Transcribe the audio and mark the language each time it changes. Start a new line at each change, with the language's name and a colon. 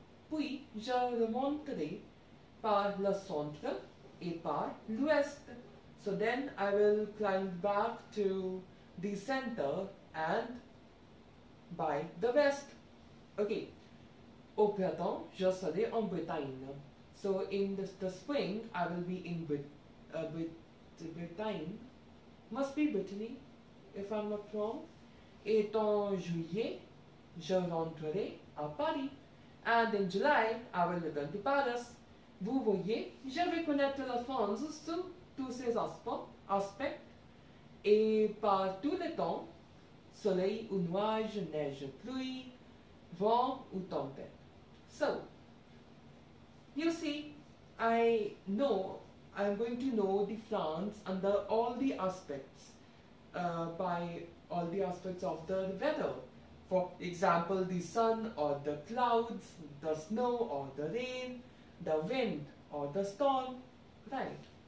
French: Puis, je remonterai par le centre et par l'ouest.
English: So then I will climb back to the center and by the west. Okay.
French: Au printemps, je serai en Bretagne.
English: So in the spring, I will be in Bretagne, must be Brittany, if I'm not wrong.
French: Et en juillet, je rentrerai à Paris.
English: And in July, I will return to Paris.
French: Vous voyez, je reconnais la France sous tous ses aspects. Et par tout le temps, soleil ou nuage, neige, pluie, vent ou tempête.
English: So, you see, I'm going to know the France under all the aspects, by all the aspects of the weather. For example, the sun or the clouds, the snow or the rain, the wind or the storm, right?